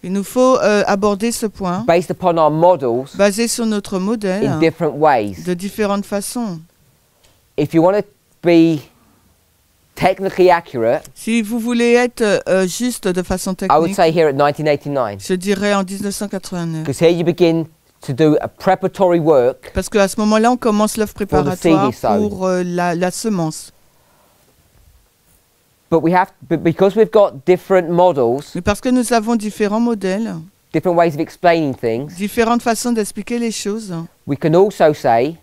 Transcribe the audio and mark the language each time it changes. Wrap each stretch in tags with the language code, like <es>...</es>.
<fr>Il nous faut aborder ce point.</fr> <en>Based upon our models.</en> <fr>Basé sur notre modèle.</fr> <en>In different ways.</en> <fr>De différentes façons.</fr> <en>If you want to be technically accurate,</en> <fr>si vous voulez être juste de façon technique,</fr> <en>I would say here at 1989.</en> <fr>Je dirais en 1989.</fr> <en>Because here you begin to do a preparatory work.</en> <fr>Parce que à ce moment-là, on commence l'œuvre préparatoire pour la semence.</fr> <en>But because we've got different models.</en> <fr>Mais parce que nous avons différents modèles.</fr> <en>different ways of explaining things.</en> <fr>Différentes façons d'expliquer les choses.</fr> <en>We can also say.</en>